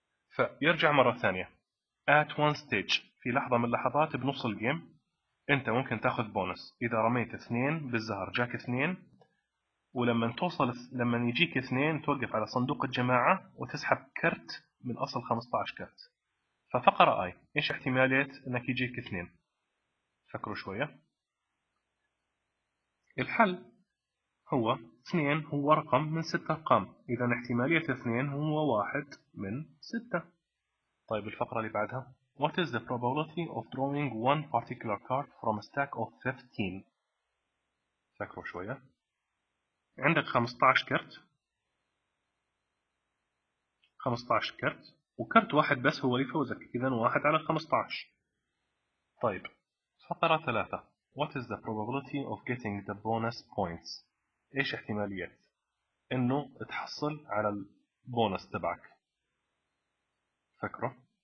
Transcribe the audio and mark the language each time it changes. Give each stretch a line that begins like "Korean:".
Arabic: فيرجع مره ثانيه
English: at one stage،
Arabic: في لحظه من اللحظات بنص الجيم انت ممكن تاخذ بونس اذا رميت اثنين بالزهر، جاك اثنين، ولما توصل لما يجيك اثنين توقف على صندوق الجماعه وتسحب كرت من اصل 15 كرت. ففقرة اي، ايش احتماليه انك يجيك اثنين؟ فكروا شويه. الحل هو اثنين، هو رقم من ستة ارقام، اذا احتماليه اثنين هو واحد من ستة. طيب الفقره اللي بعدها،
English: what is the probability of drawing one particular card from a stack of 15؟
Arabic: فكروا شويه. عندك 15 كرت، 15 كرت، وكرت واحد بس هو اللي يفوزك، إذا واحد على 15. طيب فقرة ثلاثة،
English: what is the probability of getting the bonus points؟
Arabic: إيش احتمالية إنه تحصل على البونس تبعك؟ فكرة.